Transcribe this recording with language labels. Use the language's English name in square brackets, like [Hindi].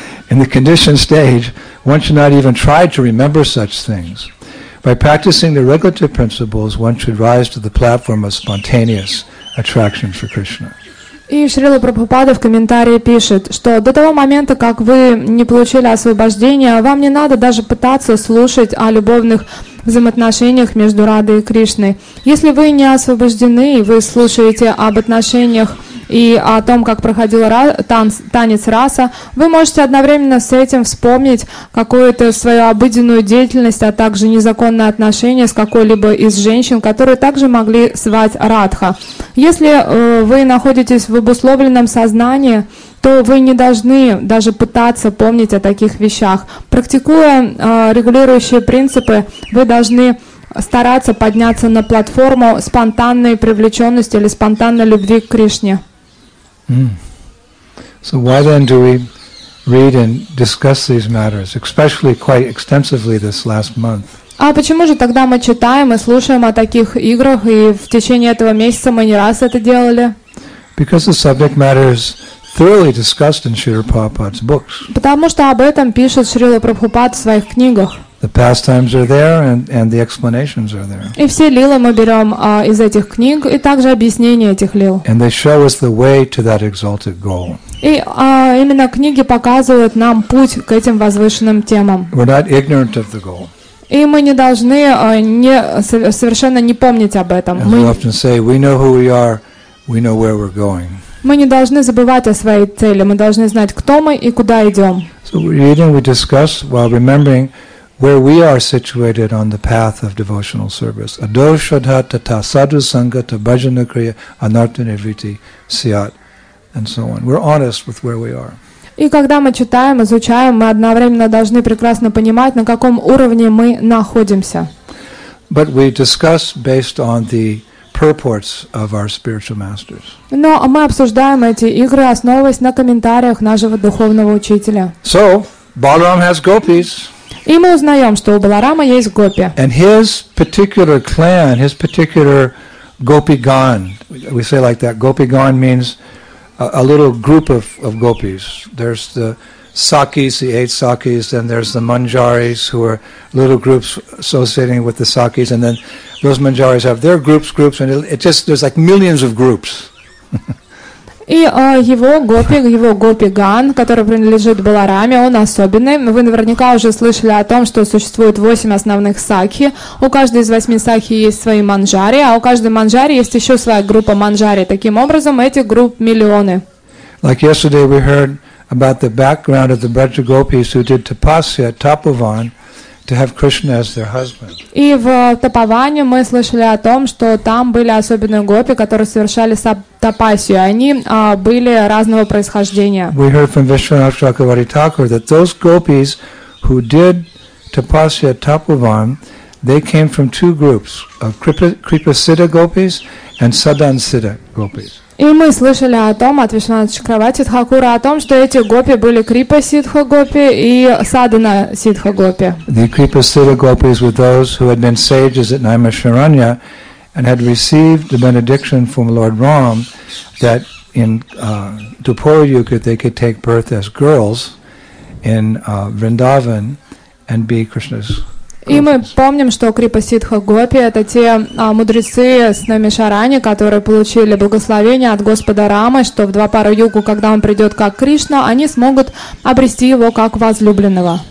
[English] In the conditioned stage, one should not even try to remember such things. By practicing the regulative principles, one should rise to the platform of spontaneous attraction for Krishna. [Russian] И Шрила Прабхупада в комментарии пишет, что до того момента, как вы не получили освобождение, вам не надо даже пытаться слушать о любовных взаимоотношениях между Радой и Кришной. Если вы не освобождены, вы слушаете об отношениях и о том, как проходил танец раса, вы можете одновременно с этим вспомнить какую-то свою обыденную деятельность, а также незаконное отношение с какой-либо из женщин, которые также могли звать Радха. Если вы находитесь в обусловленном сознании, то вы не должны даже пытаться помнить о таких вещах. Практикуя регулирующие принципы, вы должны стараться подняться на платформу спонтанной привлеченности или спонтанной любви к Кришне. [English] So why then do we read and discuss these matters, especially quite extensively this last month? [Russian] А почему же тогда мы читаем и слушаем о таких играх, и в течение этого месяца мы не раз это делали? [English] Because the subject matter is thoroughly discussed in Srila Prabhupada's books. [Russian] Потому что об этом пишет Шрила Прабхупад в своих книгах. [English] The pastimes are there, and the explanations are there. [Russian] И все лилы мы берем из этих книг, и также объяснения этих лил. [English] And they show us the way to that exalted goal. [Russian] И именно книги показывают нам путь к этим возвышенным темам. [English] We're not ignorant of the goal. [Russian] И мы не должны совершенно не помнить об этом. [English] As we often say, we know who we are, we know where we're going. [Russian] Мы не должны забывать о своей цели, мы должны знать, кто мы и куда идем. [English] So reading, we discuss while remembering where we are situated on the path of devotional service. [Sanskrit] Ado shodhat tata sadhu sangha ta bhajana kriya anartha nirviti siyat, [English] and so on. We're honest with where we are. [Russian] И когда мы читаем, изучаем, мы одновременно должны прекрасно понимать, на каком уровне мы находимся. [English] But we discuss based on the purports of our spiritual masters. [Russian] Но мы обсуждаем эти игры, основываясь на комментариях нашего духовного учителя. [English] So, Balaram has gopis. [Russian] И мы узнаем, что у Баларама есть гопи. [English] And his particular clan, his particular gopigan, we say like that, gopigan means a little group of gopis. There's the sakis, the eight sakis, then there's the manjaris, who are little groups associating with the sakis, and then those manjaris have their groups, and there's like millions of groups. [Russian] И его гопиган, который принадлежит Балараме, он особенный. Вы наверняка уже слышали о том, что существует 8 основных сакхи. У каждой из 8 сакхи есть свои манджари, а у каждой манджари есть еще своя группа манджари. Таким образом, этих групп миллионы. [English] Like yesterday we heard about the background of the Braja gopis who did tapasya at Tapovan to have Krishna as their husband. [Russian] И в Тапаване мы слышали о том, что там были особенные гопи, которые совершали тапасию. Они были разного происхождения. [English] We heard from Vishwanath Chakravarti Thakur that those gopis who did tapasya at Tapovan, They came from two groups of Kripa Siddha Gopis and Sadhan Siddha Gopis. [Russian] И мы слышали о том, от Вишванатха Чакраварти Тхакура, о том, что эти гопи были Крипа Сиддха Гопи и Садхана Сиддха Гопи. [English] The Kripa Siddha Gopis were those who had been sages at Naimisharanya and had received the benediction from Lord Ram that in Dwapara Yuga they could take birth as girls in Vrindavan and be Krishna's. [Russian] И мы помним, что Крипа Сиддха Гопи – это те мудрецы с Наймишарани, которые получили благословение от Господа Рамы, что в Двапара Югу, когда он придет как Кришна, они смогут обрести его как возлюбленного.